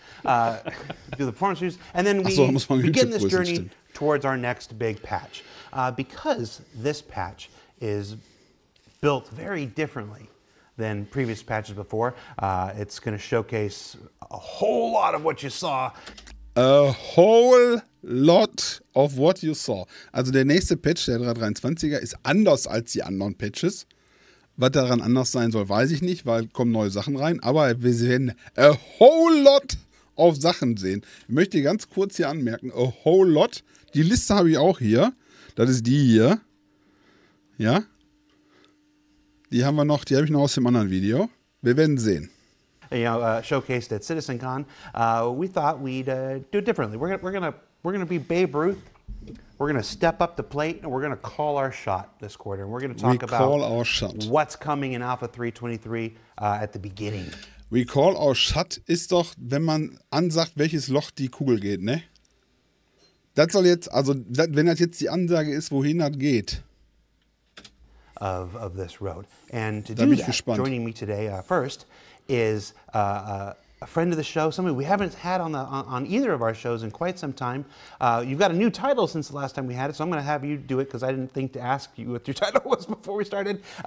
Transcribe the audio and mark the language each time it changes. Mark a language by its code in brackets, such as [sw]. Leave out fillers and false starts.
[en] Do the performance reviews, and then we begin this journey towards our next big patch. Because this patch is built very differently than previous patches before, it's going to showcase a whole lot of what you saw. A whole lot of what you saw. [de] Also der nächste Patch, der 323er, ist anders als die anderen Patches. Was daran anders sein soll, weiß ich nicht, weil kommen neue Sachen rein. Aber wir werden [en] a whole lot of [de] Sachen sehen. Ich möchte ganz kurz hier anmerken, [en] a whole lot. [de] Die Liste habe ich auch hier. Das ist die hier. Ja. Die haben wir noch, die habe ich noch aus dem anderen Video. Wir werden sehen. [en] You know, showcased at CitizenCon. We thought we'd do it differently. We're gonna be Babe Ruth. We're gonna step up the plate and we're gonna call our shot this quarter. And we're gonna talk about what's coming in Alpha 323 at the beginning. We call our shot [de] ist doch, wenn man ansagt, welches Loch die Kugel geht, ne? Das soll jetzt, also wenn das jetzt die Ansage ist, wohin das geht. [en] Of this road. And to do that, joining me today first is a friend of the show, somebody we haven't had on either of our shows in quite some time. You've got a new title since the last time we had it, so I'm going to have you do it because I didn't think to ask you what your title was before we started.